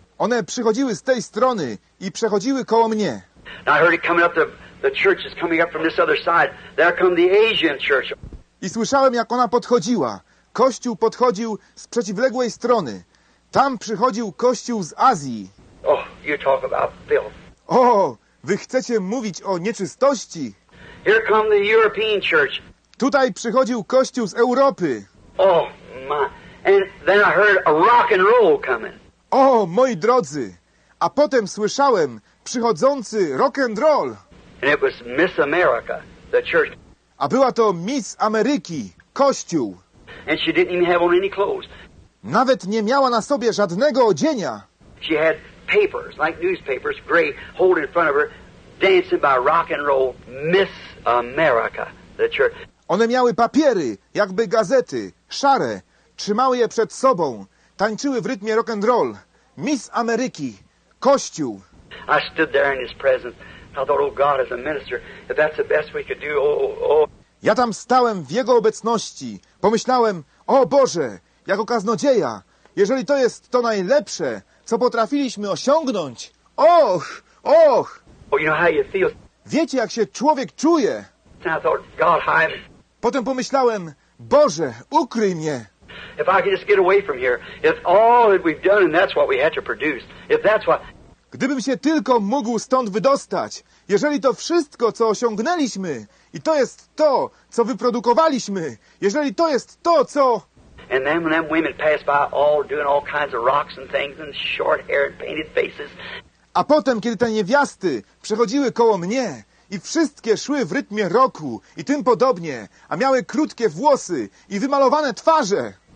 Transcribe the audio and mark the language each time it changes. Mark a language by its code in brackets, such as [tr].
[pl] One przychodziły z tej strony i przechodziły koło mnie. [en] I heard it coming up the church is coming up from this other side. There come the Asian church. [pl] I słyszałem, jak ona podchodziła. Kościół podchodził z przeciwległej strony. Tam przychodził kościół z Azji. [en] Oh, you talk about filth. [pl] O, wy chcecie mówić o nieczystości? [en] Here come the European church. [pl] Tutaj przychodził kościół z Europy. [en] Oh my. And then I heard a rock and roll coming. [pl] O, moi drodzy. A potem słyszałem przychodzący rock and roll. [en] And it was Miss America, the church. [pl] A była to Miss Ameryki, kościół. [en] And she didn't even have on any clothes. [pl] Nawet nie miała na sobie żadnego odzienia. [en] She had papers, like newspapers, gray, hold in front of her, dancing by rock and roll, Miss America, the church. [pl] One miały papiery, jakby gazety, szare. Trzymały je przed sobą. Tańczyły w rytmie rock and roll. Miss Ameryki. Kościół. [en] I stood there in his presence. I thought, oh God, as a minister, if that's the best we could do, oh. [pl] Ja tam stałem w jego obecności. Pomyślałem, o Boże, jako kaznodzieja, jeżeli to jest to najlepsze, co potrafiliśmy osiągnąć, och, och. [en] Oh, you know how you feel. [pl] Wiecie, jak się człowiek czuje. [en] And I thought, God, hide me. [pl] Potem pomyślałem, Boże, ukryj mnie. [en] If I could just get away from here, if all that we've done and that's what we had to produce, if that's what... [pl] Gdybym się tylko mógł stąd wydostać, jeżeli to wszystko, co osiągnęliśmy i to jest to, co wyprodukowaliśmy, jeżeli to jest to, co... [en] And then when them women passed by all doing all kinds of rocks and things and short hair and painted faces... [pl] A potem, kiedy te niewiasty przechodziły koło mnie... I wszystkie szły w rytmie roku i tym podobnie, a miały krótkie włosy i wymalowane twarze.